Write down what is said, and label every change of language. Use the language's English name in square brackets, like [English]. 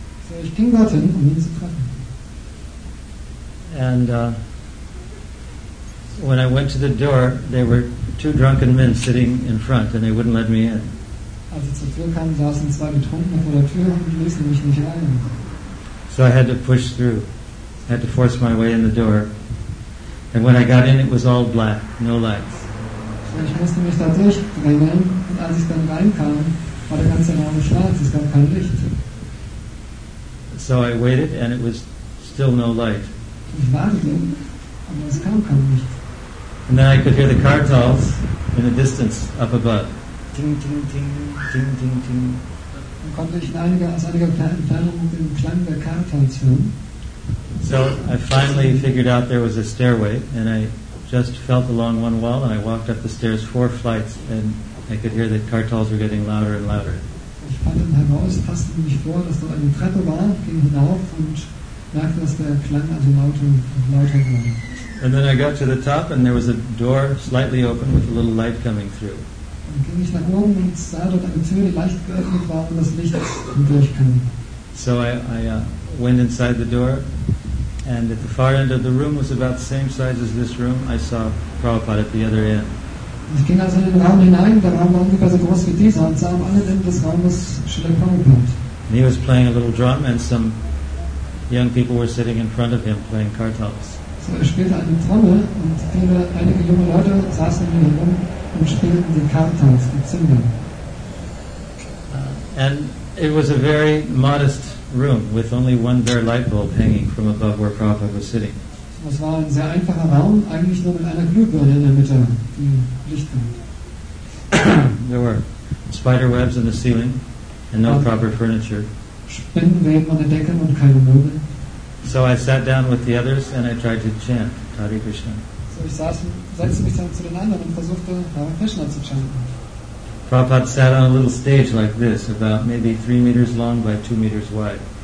[German] So ich ging dorthin, um ihn zu treffen. [English] And when I went to the door, there were two drunken men sitting in front, and they wouldn't let me in. [German] Als ich zur Tür kam, saßen zwei Betrunkene vor der Tür und ließen mich nicht rein. [English] So I had to push through. I had to force my way in the door. And when I got in, it was all black, no lights. [German] So ich musste mich da durchdrängen, und als ich dann reinkam, war der ganze Raum schwarz, es gab kein Licht. [English] So I waited, and it was still no light. [German] Ich wartete, aber es kam kein Licht. [English] And then I could hear the kartals in the distance up above. Ting, ting, ting, ting, ting, ting. [German] Dann konnte ich aus einiger Entfernung den Klang der kartals hören. [English] So I finally figured out there was a stairway, and I just felt along one wall, and I walked up the stairs four flights and I could hear the kartals were getting louder and louder. [German] Ich fand dann heraus, passte mich vor, dass dort eine Treppe war, ging hinauf und merkte, dass der Klang also lauter wurde. [English] And then I got to the top and there was a door slightly open with a little light coming through. [German] Dann ging ich nach oben und sah dort eine Tür, die leicht geöffnet war und das Licht durchkam. [English] So I went inside the door. And at the far end of the room was about the same size as this room. I saw Prabhupada at the other end. [German] Ich ging also in den Raum hinein. Der Raum war ungefähr so groß wie dieser und sah am anderen Ende des Raumes Srila Prabhupada. [English] He was playing a little drum and some young people were sitting in front of him playing kartals. [German] So er spielte eine Trommel und einige junge Leute saßen in dem Raum und spielten die kartals, die Zimbeln. [English] And it was a very modest room with only one bare light bulb hanging from above where Prabhupada was sitting. [German] Das war ein sehr einfacher Raum, eigentlich nur mit einer Glühbirne in der Mitte, die Licht gab. [English] There were spider webs in the ceiling and no proper furniture. [German] Spinnenweben an der Decke und keine Möbel. [English] So I sat down with the others and I tried to chant Hare Krishna. [German] So ich setzte mich dann zu den anderen und versuchte Hare Krishna zu chanten. [English] Prabhupada sat on a little stage like this, about maybe 3 meters long by 2 meters wide.